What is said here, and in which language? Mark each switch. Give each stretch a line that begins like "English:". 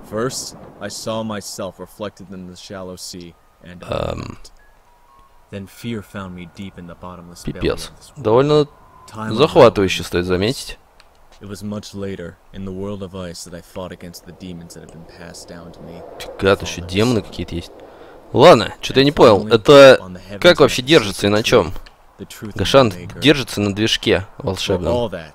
English: First, I saw myself reflected in the shallow sea, and then fear found me deep in the bottomless belly.
Russian: Пипец. Довольно захватывающе, стоит заметить.
English: It was much later in the world of ice that I fought against the demons that have been passed down to me.
Russian: Фига, тут еще демоны какие-то есть. Ладно, что-то я не понял. Это как вообще держится и на чем? Гошан держится на движке волшебном.